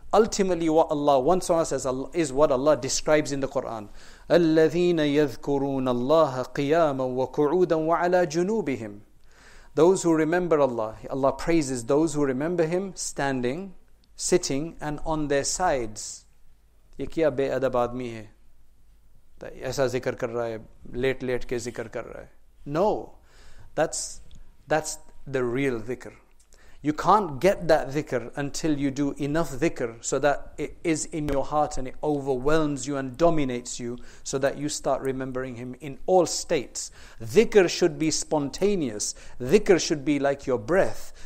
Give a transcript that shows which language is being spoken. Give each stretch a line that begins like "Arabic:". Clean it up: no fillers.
English: Ultimately, what Allah wants from us is what Allah describes in the Quran.
Arabic: الَّذِينَ يَذْكُرُونَ اللَّهَ قِيَامًا وَقُعُودًا وَعَلَىٰ جُنُوبِهِمْ.
English: Those who remember Allah. Allah praises those who remember Him standing, sitting, and on their sides.
Urdu: یہ کیا بے ادب آدمی ہے ایسا ذکر کر رہا ہے لیٹ لیٹ کے ذکر کر رہا ہے.
English: No, that's the real dhikr. You can't get that dhikr until you do enough dhikr so that it is in your heart and it overwhelms you and dominates you so that you start remembering Him in all states. Dhikr should be spontaneous. Dhikr should be like your breath.